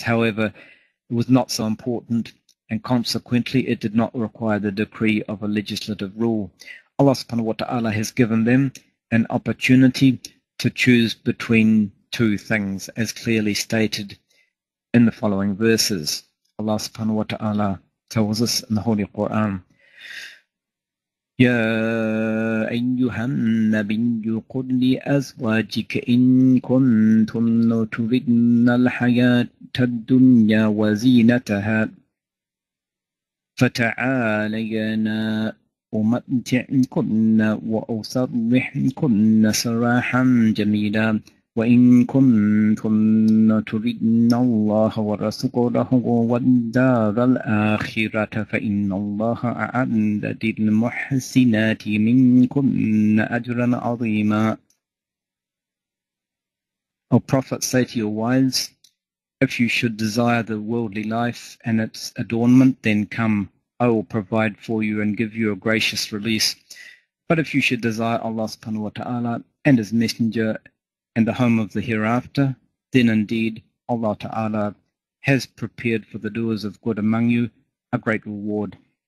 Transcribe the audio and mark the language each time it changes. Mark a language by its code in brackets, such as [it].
[en] However, it was not so important, and consequently it did not require the decree of a legislative rule. Allah subhanahu wa ta'ala has given them an opportunity to choose between two things, as clearly stated in the following verses. Allah subhanahu wa ta'ala tells us in the Holy Quran, [ar] يا أيها النبي قل لأزواجك إن كنتن تردن الحياة الدنيا وزينتها فتعالين أمتعكن وأسرحكن سراحا جميلا وإن كنتن تردن الله ورسوله والدار الآخرة فإن الله أعد للمحسنات منكن أجرا عظيما. [en] O Prophet, say to your wives, if you should desire the worldly life and its adornment, then come, I will provide for you and give you a gracious release. But if you should desire Allah subhanahu wa ta'ala and His Messenger and the home of the hereafter, then indeed Allah Ta'ala has prepared for the doers of good among you a great reward.